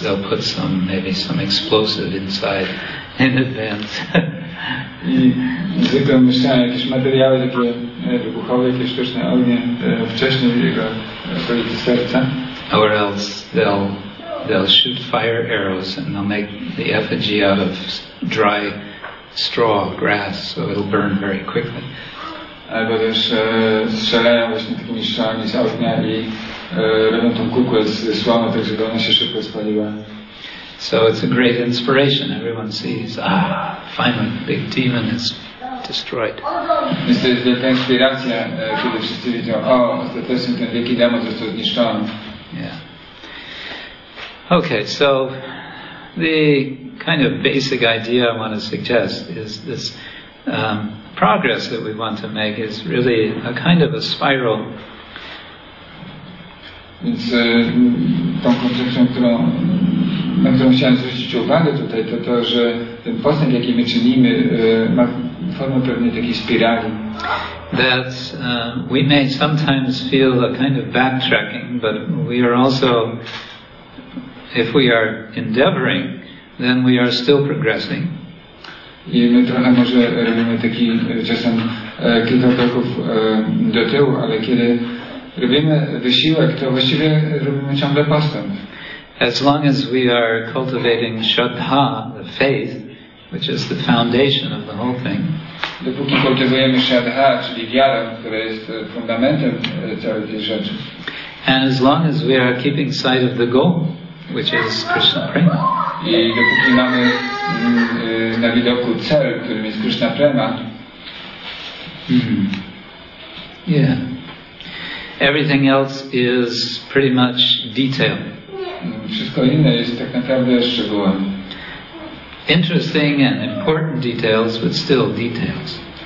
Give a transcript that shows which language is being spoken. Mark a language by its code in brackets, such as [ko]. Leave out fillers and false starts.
[en] They'll put maybe some explosive inside in advance. [pl] I zwykle umieszczają jakieś materiały takie wybuchowe, jakieś sztuczne ognie wcześniej w jego okolicy serca. [en] Or else they'll shoot fire arrows and they'll make the effigy out of dry straw, grass, so it'll burn very quickly. [pl] Albo też strzelają właśnie takimi strzałami z ognia i robią tą kukłę z słomy, tak żeby ona się szybko spaliła. [en] So it's a great inspiration. Everyone sees, ah, finally the big demon is destroyed. [pl] Jest to wielka inspiracja, kiedy wszyscy widzą, o, ostatecznie ten wielki demon został zniszczony. [en] Yeah. Okay, so the kind of basic idea I want to suggest is this progress that we want to make is really a kind of a spiral. [pl] Więc tą koncepcją, na którą chciałem zwrócić uwagę tutaj, to, że ten postęp, jaki my czynimy, ma formę pewnej takiej spirali. [en] That we may sometimes feel a kind of backtracking, but we are also, if we are endeavoring, then we are still progressing. [pl] I my trochę może robimy taki czasem kilka kroków do tyłu, ale kiedy robimy wysiłek, to właściwie robimy ciągle postęp. [en] As long as we are cultivating Shraddha, the faith, which is the foundation of the whole thing. [pl] Dopóki kultywujemy Shraddha, czyli wiarę, która jest fundamentem całej tej rzeczy. [en] And as long as we are keeping sight of the goal, which is Krishna Prema. [pl] I dopóki mamy na widoku cel, którym jest Krishna Prema. [en] Yeah. Everything else is pretty much detail. [pl] Wszystko inne jest tak naprawdę szczegółem. [en] Interesting and important details, but still details.